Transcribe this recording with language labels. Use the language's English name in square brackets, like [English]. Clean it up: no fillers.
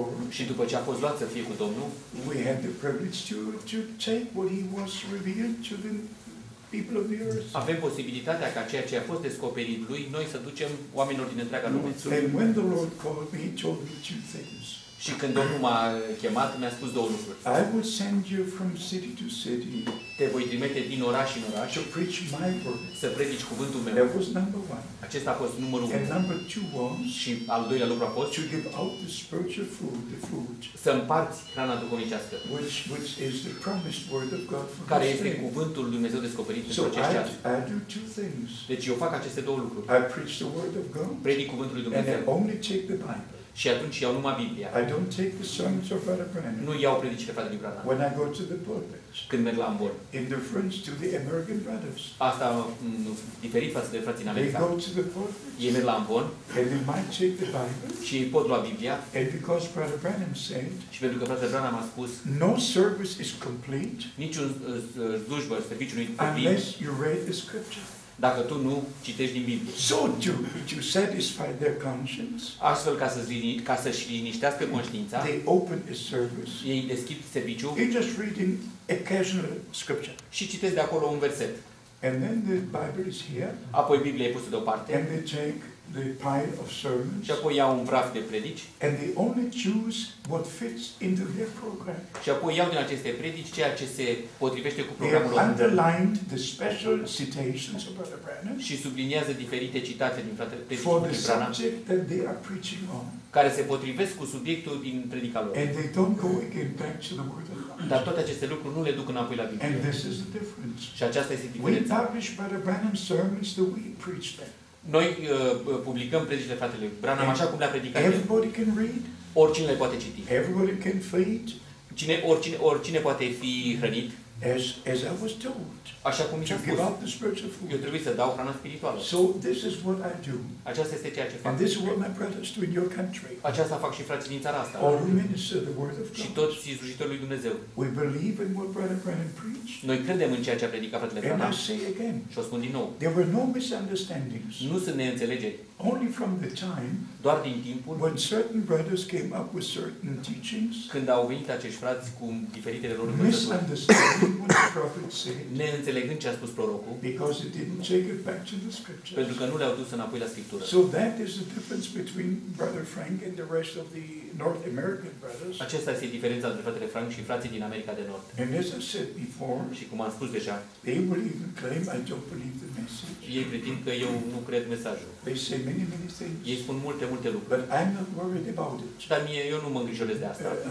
[Romanian] Și după ce a fost luat să fie cu Domnul, [English] we had the privilege to take what he was revealed to the people of the earth. [Romanian] Avem posibilitatea ca ceea ce a fost descoperit lui noi să ducem oamenilor din întreaga lume. [English] And when the Lord called me, he told me two things. [Romanian] Și când Domnul m-a chemat, mi-a spus două lucruri. [English] I will send you from city to city. [Romanian] Te voi trimite din oraș în oraș. [English] To preach my word. [Romanian] Să predici cuvântul meu. [English] That was number one. [Romanian] Acesta a fost numărul unu. [English] And number two was. [Romanian] Și al doilea lucru a fost. [English] To give out the spiritual food, the food. [Romanian] Să împarți hrana duhovnicească. [English] Which is the promised word of God for. [Romanian] Care este cuvântul lui Dumnezeu descoperit pentru acești ani. [English] So I do two things. [Romanian] Deci eu fac aceste două lucruri. [English] I preach the word of God. [Romanian] Predic cuvântul lui Dumnezeu. [English] And I only take the Bible. [Romanian] Și atunci iau numai Biblia. [English] I don't take the sermons of Brother Branham. [Romanian] Nu iau predicile Fratelui Branham. [English] When I go to the pulpit. [Romanian] Când merg la ambon. [English] In reference to the American brothers. [Romanian] Asta diferit față de frații în America. [English] They go to the pulpit. [Romanian] Ei merg la ambon. [English] And they might take the Bible. [Romanian] Și pot lua Biblia. [English] And because Brother Branham said. [Romanian] Și pentru că Fratele Branham a spus. [English] No service is complete. [Romanian] Niciun slujbă, serviciu nu e complet. [English] Unless you read the scripture. [Romanian] Dacă tu nu citești din Biblie. [English] So to satisfy their conscience. [Romanian] Astfel ca să-și liniștească conștiința. [English] They open a service. [Romanian] Ei deschid serviciu. [English] They just reading occasional scripture. [Romanian] Și citesc de acolo un verset. [English] And then the Bible is here. [Romanian] Apoi Biblia e pusă deoparte. [English] And they take the pile of sermons. [Romanian] Și apoi iau un praf de predici. [English] And they only choose what fits into their program. [Romanian] Și apoi iau din aceste predici ceea ce se potrivește cu programul lor. [English] They underlined the special citations of Brother Branham. [Romanian] Și subliniază diferite citate din fratele predicii lui Branham. [English] For the subject that they are preaching on. [Romanian] Care se potrivesc cu subiectul din predica lor. [English] And they don't go again back to the word of God. [Romanian] Dar toate aceste lucruri nu le duc înapoi la Biblie. [English] And this is the difference. [Romanian] Și aceasta este diferența. [English] We publish Brother Branham's sermons that we preach them. [Romanian] Noi publicăm predicile fratele Branham așa cum le-a predicat. [English] Everybody can read. [Romanian] Oricine le poate citi. [English] Everybody can feed. [Romanian] Oricine poate fi hrănit. [English] As I was told. [Romanian] Așa cum [English] to [Romanian] mi-a spus. [English] The spiritual food. [Romanian] Eu trebuie să dau hrană spirituală. [English] So this is what I do. [Romanian] Aceasta este ceea ce fac. [English] And this is what my brothers do in your country. [Romanian] Aceasta fac și frații din țara asta. [English] All who minister the word of God. [Romanian] Și toți cei slujitorii lui Dumnezeu. [English] We believe in what Brother Branham preached. [Romanian] Noi credem în ceea ce a predicat fratele Branham. [English] And I say again. [Romanian] Și o spun din nou. [English] There were no misunderstandings. [Romanian] Nu sunt neînțelegeri. [English] Only from the time. [Romanian] Doar din timpul. [English] When certain brothers came up with certain teachings. [Romanian] Când au venit acești frați cu diferitele lor învățături. Neînțelegând ce a spus prorocul. [English] Because it didn't take it back to the scriptures. [Romanian] Pentru că nu le-au dus înapoi la scriptură. [English] So that is the difference between Brother Frank and the rest of the North American brothers. [Romanian] Aceasta este diferența între fratele Frank și frații din America de Nord. [English] And as I said before. [Romanian] Și cum am spus deja. [English] They will even claim I don't believe the message. [Romanian] Ei pretind că eu nu cred mesajul. [English] They say many things. [Romanian] Ei spun multe lucruri. [English] But I'm not worried about it. [Romanian] Dar mie, eu nu mă îngrijorez de asta.